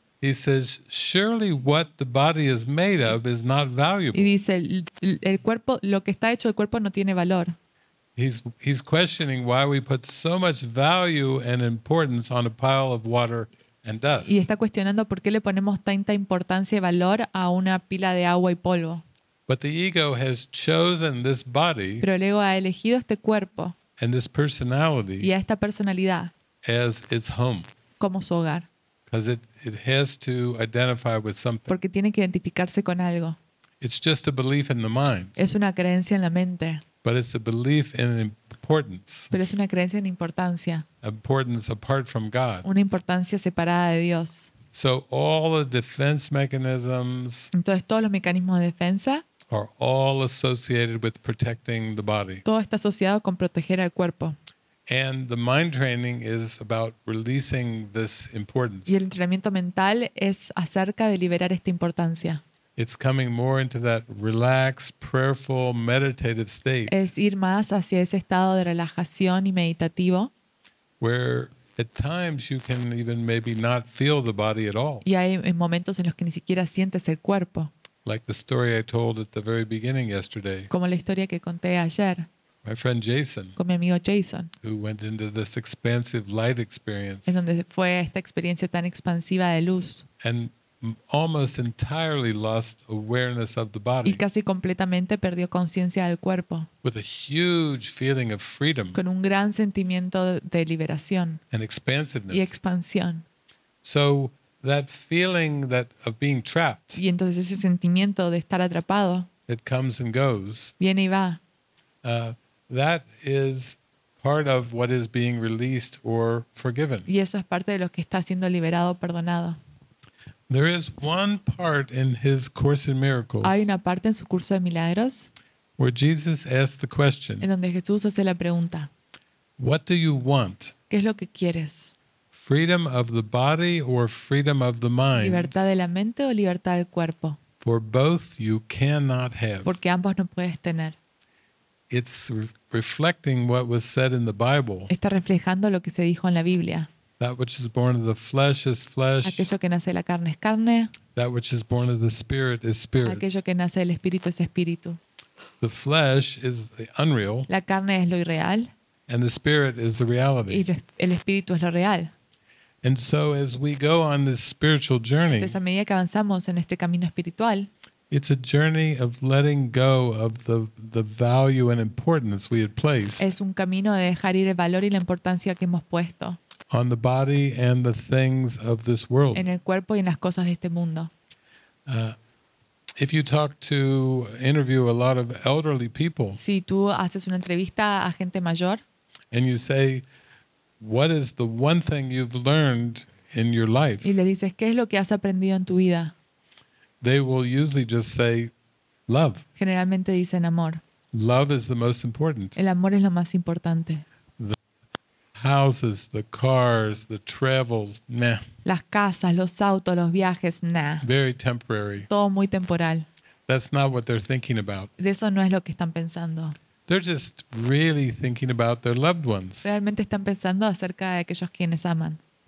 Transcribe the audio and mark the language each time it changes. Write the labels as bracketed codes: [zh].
[en] he says, "Surely what the body is made of is not valuable." [es] Y dice, el cuerpo, lo que está hecho del cuerpo no tiene valor. [en] He's questioning why we put so much value and importance on a pile of water and dust. [es] Y está cuestionando por qué le ponemos tanta importancia y valor a una pila de agua y polvo. [en] But the ego has chosen this body. [es] Pero el ego ha elegido este cuerpo. [en] And this personality. [es] Y a esta personalidad. [en] As its home. [es] Como su hogar. [en] Because it has to identify with something. [es] Porque tiene que identificarse con algo. [en] It's just a belief in the mind. [es] Es una creencia en la mente. [en] But it's a belief in importance. [es] Pero es una creencia en importancia. [en] Importance apart from God. [es] Una importancia separada de Dios. [en] So all the defense mechanisms. [es] Entonces todos los mecanismos de defensa. [en] Are all associated with protecting the body. [es] Todo está asociado con proteger al cuerpo. [en] And the mind training is about releasing this importance. [es] Y el entrenamiento mental es acerca de liberar esta importancia. [en] It's coming more into that relaxed, prayerful, meditative state. [es] Es ir más hacia ese estado de relajación y meditativo. [en] Where at times you can even maybe not feel the body at all. [es] Y hay momentos en los que ni siquiera sientes el cuerpo. [en] Like the story I told at the very beginning yesterday. [es] Como la historia que conté ayer. [en] My friend Jason. [es] Con mi amigo Jason. [en] Who went into this expansive light experience. [es] En donde fue esta experiencia tan expansiva de luz. [en] And almost entirely lost awareness of the body. [es] Y casi completamente perdió conciencia del cuerpo. [en] With a huge feeling of freedom. [es] Con un gran sentimiento de liberación. [en] And expansiveness. [es] Y expansión. [en] So that feeling that of being trapped. [es] Y entonces ese sentimiento de estar atrapado. [en] It comes and goes. [es] Viene y va. [en] That is part of what is being released or forgiven. [es] Y eso es parte de lo que está siendo liberado, perdonado. [en] There is one part in his Course in Miracles. [es] Hay una parte en su curso de milagros. [en] Where Jesus asks the question. [es] En donde Jesús hace la pregunta. [en] What do you want? [es] ¿Qué es lo que quieres? [en] Freedom of the body or freedom of the mind? [es] ¿Libertad de la mente o libertad del cuerpo? [en] For both you cannot have. [es] Porque ambos no puedes tener. [en] It's reflecting what was said in the Bible. [es] Está reflejando lo que se dijo en la Biblia. [en] That which is born of the flesh is flesh. [es] Aquello que nace de la carne es carne. [en] That which is born of the spirit is spirit. [es] Aquello que nace del espíritu es espíritu. [en] The flesh is the unreal. [es] La carne es lo irreal. [en] And the spirit is the reality. [es] Y el espíritu es lo real. [en] And so as we go on this spiritual journey. [es] Entonces, a medida que avanzamos en este camino espiritual. [en] It's a journey of letting go of the value and importance we had placed. [es] Es un camino de dejar ir el valor y la importancia que hemos puesto. [en] On the body and the things of this world. [es] En el cuerpo y en las cosas de este mundo. [en] If you talk to interview a lot of elderly people. [es] Si tú haces una entrevista a gente mayor. [en] And you say, what is the one thing you've learned in your life? [es] Y le dices, ¿qué es lo que has aprendido en tu vida? [en] They will usually just say, love. [es] Generalmente dicen amor. [en] Love is the most important. [es] El amor es lo más importante. [en] Houses, the cars, the travels, nah. [es] Las casas, los autos, los viajes, nah. [en] Very temporary. [es] Todo muy temporal. [en] That's not what they're thinking about. [es] De eso no es lo que están pensando. [en] They're just really thinking about their loved ones. [es] Realmente están pensando acerca de aquellos quienes aman.